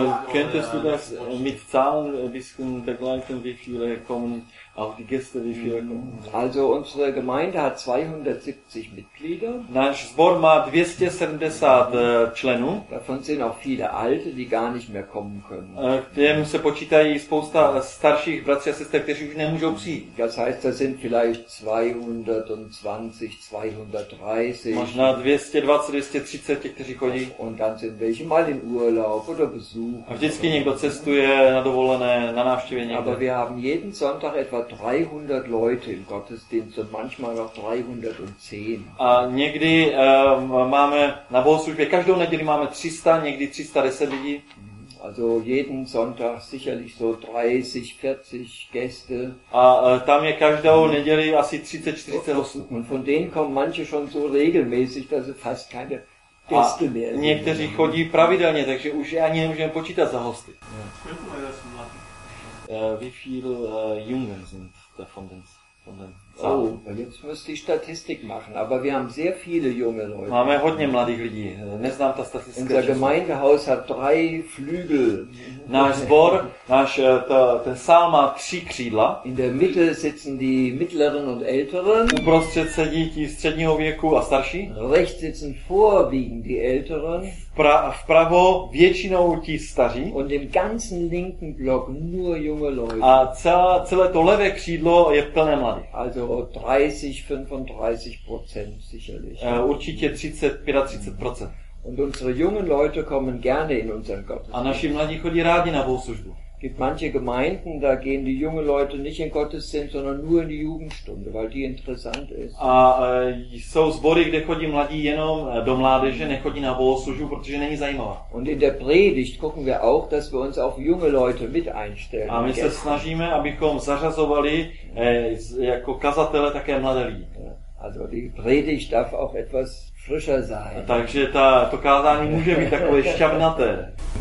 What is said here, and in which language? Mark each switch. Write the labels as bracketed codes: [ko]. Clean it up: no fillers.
[de] Könntest du das mit Zahlen begleiten, wie viele kommen, auch die Gäste, wie viele kommen? Also unsere Gemeinde hat 270 Mitglieder. [cs] Náš sbor má 270 členů. [de] Davon sind auch viele Alte, die gar nicht mehr kommen können. [cs] K těm se počítají spousta starších bratří a sester, kteří už nemůžou přijít. [de] Das heißt, da sind vielleicht 220, 230. [cs] Možná 220, 230 těch, kteří chodí. [de] Und dann sind welche mal in Urlaub. [cs] A vždycky někdo cestuje na dovolené, na návštěvě někde. [de] Aber wir haben jeden Sonntag etwa 300 Leute im Gottesdienst und manchmal auch 310. [cs] A někdy máme na bohoslužbě, každou neděli máme 300, někdy 310 lidí. [de] Also jeden Sonntag sicherlich so 30, 40 Gäste. [cs] A tam je každou neděli asi 30, 40 hostů. [de] Und von denen kommen manche schon so regelmäßig, dass sie fast keine... [cs] A někteří chodí pravidelně, takže už ani nemůžeme počítat za hosty. Yeah. [de] Wie viele Jungen sind da von den Zahlen? Oh, Und jetzt müsste ich Statistik machen, aber wir haben sehr viele junge Leute. [cs] Máme hodně mladých lidí. Neznám to statistiku. [de] Unser Gemeindehaus hat drei Flügel. [cs] Náš zbor, náš ten sál má tři křídla. [de] In der Mitte sitzen die mittleren und älteren. [cs] Uprostřed sedí ti středního věku a starší. [de] Rechts sitzen vorwiegend die älteren. [cs] Vpravo většinou ti staří. [de] Und im ganzen linken Block nur junge Leute. [cs] A celé to levé křídlo je plné mladých. [de] Also 30-35% sicherlich. [cs] Určitě 30-35%. [de] Und unsere jungen Leute kommen gerne in unseren Gottesdienst. [cs] A naši mladí chodí rádi na bohoslužbu. [de] Gibt manche Gemeinden, da gehen die jungen Leute nicht in Gottesdienst, sondern nur in die Jugendstunde, weil die interessant ist. [cs] A jsou sbory, kde chodí mladí jenom do mládeže, nechodí na bohoslužbu, protože není zajímavá. [de] Und in der Predigt gucken wir auch, dass wir uns auf junge Leute mit einstellen. [cs] A my se snažíme, abychom zařazovali jako kazatele také mladé lidi. [de] Also die Predigt darf auch etwas frischer sein. [cs] Takže to kázání může být takové šťavnaté.